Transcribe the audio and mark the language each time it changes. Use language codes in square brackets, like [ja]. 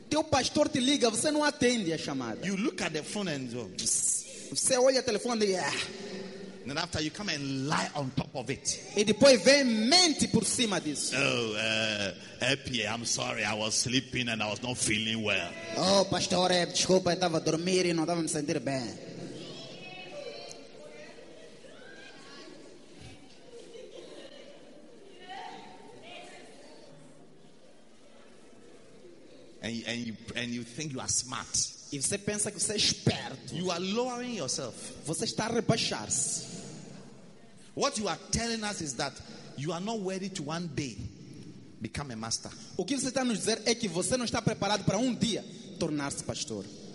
[pt] Teu pastor te liga, você não atende a chamada. [en] You look at the phone and go. [pt] Você olha o telefone e yeah. [en] And then after you come and lie on top of it. [pt] E depois vem mente por cima disso. [en] Oh, happy, I'm sorry, I was sleeping and I was not feeling well. [pt] Oh, pastor, desculpa, eu estava a dormir e não estava a me sentir bem. [en] And you think you are smart. [pt] E você pensa que você é esperto. [en] You are lowering yourself. [pt] Você está a rebaixar-se. [en] What you are telling us is that you are not ready to one day become a master. [pt] O que você está nos dizer é que você não está preparado para dia tornar-se pastor.